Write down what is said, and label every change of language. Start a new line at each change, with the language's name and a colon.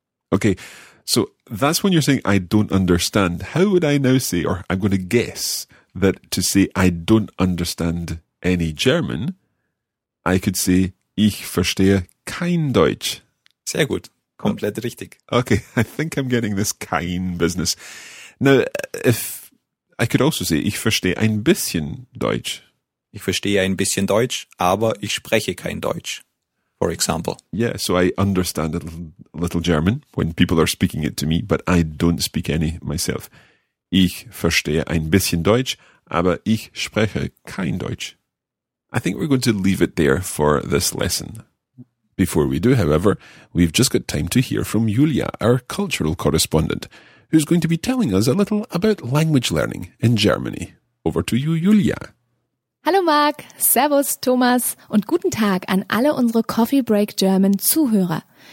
English: Okay, so that's when you're saying I don't understand. How would I now say, or I'm going to guess, that to say I don't understand any German, I could say,
German: ich verstehe kein Deutsch. Sehr gut. Komplett richtig.
English: Okay, I think I'm getting this kein business. Now, if I could also say,
German: ich verstehe ein bisschen Deutsch. Ich verstehe ein bisschen Deutsch, aber ich spreche kein Deutsch,
English: for example. Yeah, so I understand a little German when people are speaking it to me, but I don't speak any myself.
German: Ich verstehe ein bisschen Deutsch, aber ich spreche kein Deutsch.
English: I think we're going to leave it there for this lesson. Before we do, however, we've just got time to hear from Julia, our cultural correspondent, who's going to be telling us a little about language learning in Germany. Over to you, Julia.
German: Hallo Marc, Servus Thomas und guten Tag an alle unsere Coffee Break German Zuhörer.